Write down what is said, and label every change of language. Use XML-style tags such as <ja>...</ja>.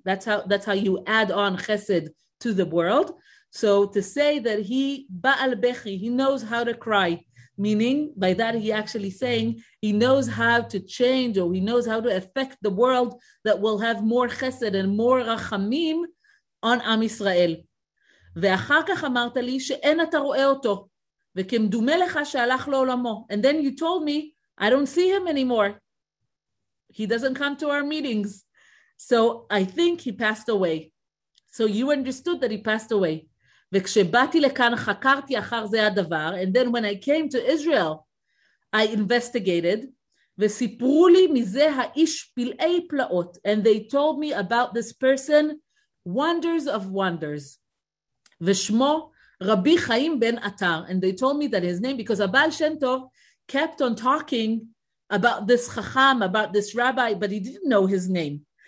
<en>That's how you add on chesed to the world. So to say that he ba'al bechi, he knows how to cry, meaning by that he actually saying he knows how to change, or he knows how to affect the world that will have more chesed and more rachamim on Am Yisrael.</en> <he>ואחר כך אמרת לי שאין אתה רואה אותו, וכמדומה לך שהלך לעולמו.</he> <en>And then you told me, I don't see him anymore. He doesn't come to our meetings. So I think he passed away. So you understood that he passed away.</en> <he>וכשבאתי לכאן חקרתי אחר זה הדבר,</he> <en>and then when I came to Israel, I investigated,</en> <he>וסיפרו לי מזה האיש פלאי פלאות,</he> <en>and they told me about this person, wonders of wonders,</en> <he>ושמו רבי חיים בן עטר,</he> <en>and they told me that his name, because הבעל שם טוב kept on talking about this חכם, about this rabbi, but he didn't know his name.</en>